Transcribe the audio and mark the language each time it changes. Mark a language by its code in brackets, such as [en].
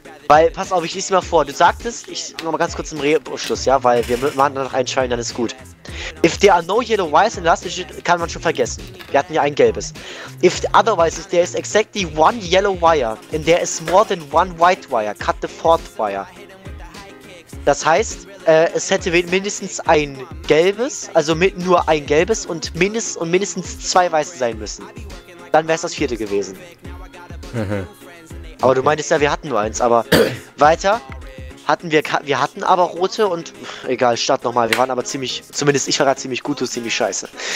[de] Weil, pass auf, ich lese mal vor. Du sagtest, ich noch mal ganz kurz im Schluss, ja? Weil wir machen dann noch einen Schein, dann ist gut. [en] If there are no yellow wires in the last digit, [de] kann man schon vergessen. Wir hatten ja ein gelbes. [en] If otherwise, if there is exactly one yellow wire and there is more than one white wire, cut the fourth wire. [de] Das heißt, es hätte mindestens ein gelbes, also mit nur ein gelbes und mindestens zwei weiße sein müssen. Dann wäre es das vierte gewesen. Aber du meintest ja, wir hatten nur eins, aber weiter. Wir hatten aber rote und egal, start nochmal. Wir waren aber ziemlich, zumindest ich war gerade ziemlich gut, du bist ziemlich scheiße.